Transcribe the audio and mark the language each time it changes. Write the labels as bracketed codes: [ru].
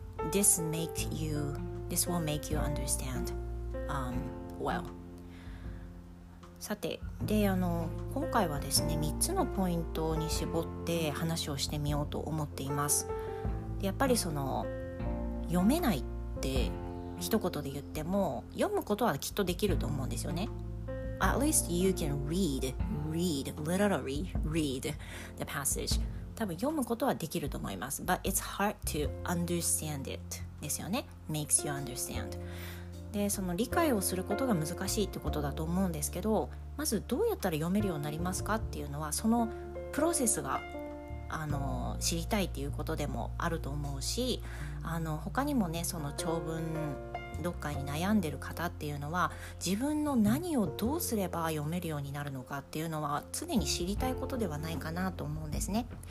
[en] this make you, this will make you understand、well. [ja] さて、で、今回はですね、3つのポイントに絞って話をしてみようと思っています。やっぱりその、読めないって一言で言っても、読むことはきっとできると思うんですよね。 [en] At least you can read, literally read the passage. [ja] 多分読むことはできると思います。 [en] But it's hard to understand it. [ja] ですよね。 [en] Makes you understand. [ja] で、その理解をすることが難しいってことだと思うんですけど、まずどうやったら読めるようになりますかっていうのは、そのプロセスが知りたいっていうことでもあると思うし、他にもね、その長文読解に悩んでる方っていうのは、自分の何をどうすれば読めるようになるのかっていうのは常に知りたいことではないかなと思うんですね。